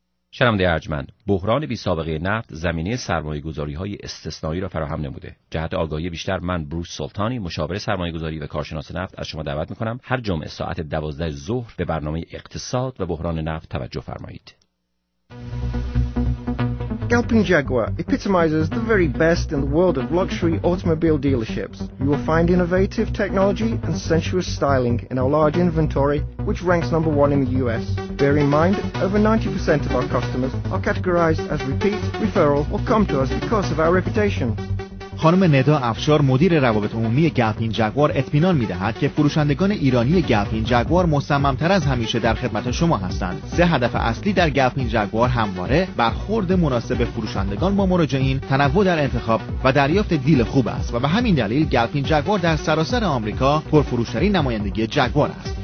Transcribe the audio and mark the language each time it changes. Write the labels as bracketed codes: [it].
[fa] شرمنده ارجمند، بحران بی سابقه نفت زمینه سرمایه‌گذاری‌های استثنایی را فراهم نموده. جهت آگاهی بیشتر، من بروس سلطانی، مشاور سرمایه‌گذاری و کارشناس نفت، از شما دعوت می‌کنم هر جمعه ساعت 12 ظهر به برنامه اقتصاد و بحران نفت توجه فرمایید. [en] Galpin Jaguar epitomizes the very best in the world of luxury automobile dealerships. You will find innovative technology and sensuous styling in our large inventory, which ranks number one in the US. Bear in mind, over 90% of our customers are categorized as repeat, referral, or come to us because of our reputation. [fa] خانم ندا افشار، مدیر روابط عمومی گلپین جگوار، اطمینان می‌دهد که فروشندگان ایرانی گلپین جگوار مصمم‌تر از همیشه در خدمت شما هستند. سه هدف اصلی در گلپین جگوار همواره برخورد مناسب فروشندگان با مراجعین، تنوع در انتخاب و دریافت دیل خوب است و به همین دلیل گلپین جگوار در سراسر آمریکا پرفروش‌ترین نمایندگی جگوار است.